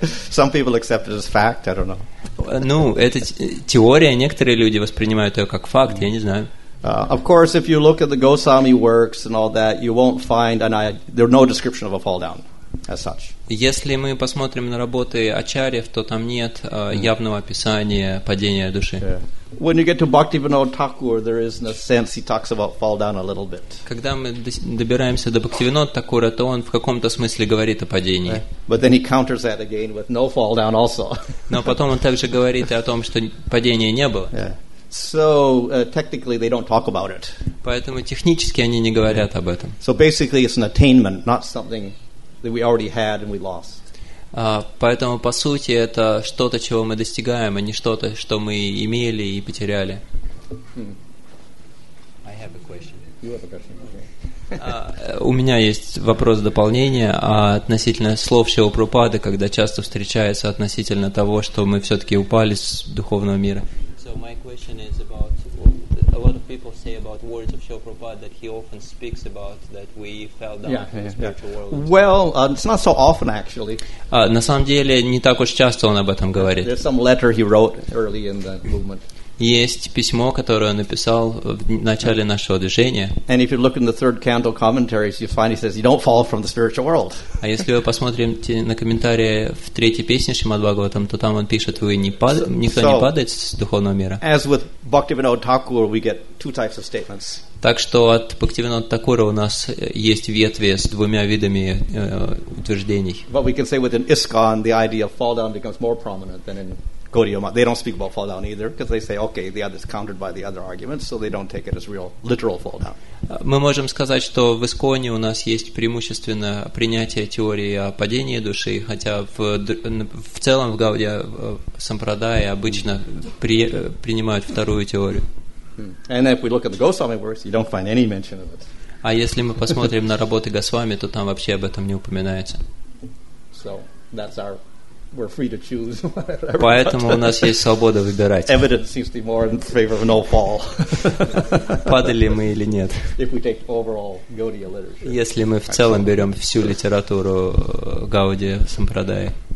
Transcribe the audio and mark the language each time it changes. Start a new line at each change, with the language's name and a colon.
English: Some people accept it as fact, I don't know.
Russian: Ну, это теория, некоторые люди воспринимают ее как факт, я не знаю.
English: Of course, if you look at the Gosami works and all that, you won't find, there's no description of a fall down. As such.
Russian: Если мы посмотрим на работы ачарьев, то там нет явного описания падения души.
English: When you get to Bhaktivinoda Thakur, there is in a sense he talks about fall down a little bit.
Russian: Когда мы добираемся до Бхактивинода Такура, то он в каком-то смысле говорит о падении.
English: But then he counters that again with no fall down also.
Russian: Но потом он также говорит о том, что падения не было.
English: So technically they don't talk about it.
Russian: Поэтому технически они не говорят об этом.
English: So basically it's an attainment, not something that we already had and we lost.
Russian: Поэтому по сути это что-то, чего мы достигаем, а не что-то, что мы имели и потеряли.
English: I have a question. You have a question. Okay.
Russian: У меня есть вопрос дополнения относительно слов Шилупрупады, когда часто встречается относительно того, что мы все-таки упали с духовного мира.
English: So my question is about a lot of people say about words of Shilupada that he often speaks about that we fell down in the spiritual world. Well, it's not so often actually.
Russian: На самом деле не так уж часто он об этом говорит.
English: There's some letter he wrote early in the movement.
Russian: Есть письмо, которое он написал в начале нашего движения.
English: And if you look in the third canto commentaries, you find he says you don't fall from the spiritual world.
Russian: А если вы посмотрите на комментарии в третьей песне Шримад-Бхагаватам, то там он пишет, вы не никто не падает с духовного мира.
English: As with Bhaktivinoda Thakur, we get two types of statements.
Russian: Так что от Бхактивинода Такура у нас есть ветви с двумя видами утверждений.
English: But we can say within ISKCON, the idea of fall down becomes more prominent than in Gaudiya Mathura. They don't speak about fall down either, because they say, okay, the other is countered by the other arguments, so they don't take it as real, literal fall down.
Russian: Мы можем сказать, что в Исконе у нас есть преимущественно принятие теории о падении души, хотя в целом в Гаудия Сампрадая обычно принимают вторую теорию.
English: And if we look at the Госвами works, you don't find any mention of it.
Russian: А если мы посмотрим на работы Госвами, то там вообще об этом не упоминается.
English: So that's our. We're free to choose.
Russian: Поэтому у нас есть свобода выбирать.
English: Evidence seems to be more in favor of no fall.
Russian: Падали мы или нет?
English: If we take overall Gaudiya literature.
Russian: Если мы в целом берем всю литературу Гауди Сампрадаи.